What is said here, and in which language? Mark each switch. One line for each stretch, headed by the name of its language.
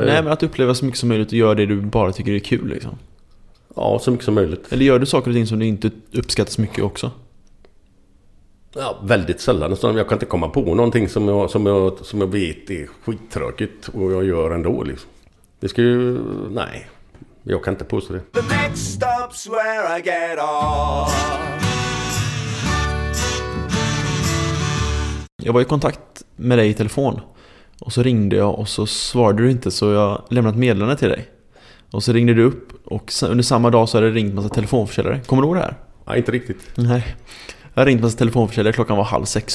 Swedish: Nej, men att uppleva så mycket som möjligt och göra det du bara tycker är kul. Liksom. Ja, så mycket som möjligt. Eller gör du saker och ting som du inte uppskattar så mycket också? Ja, väldigt sällan. Jag kan inte komma på någonting som jag vet är skittråkigt och jag gör ändå. Liksom. Det ska ju... Nej. Jag kan inte påstå det.
English: The next stop's where I get off.
Swedish: Jag var i kontakt med dig i telefon. Och så ringde jag och så svarade du inte, så jag lämnat meddelande till dig. Och så ringde du upp och under samma dag så hade det ringt massa telefonförsäljare. Kommer du ihåg det här? Nej, inte riktigt. Nej. Jag hade ringt massa telefonförsäljare, klockan var 17:30.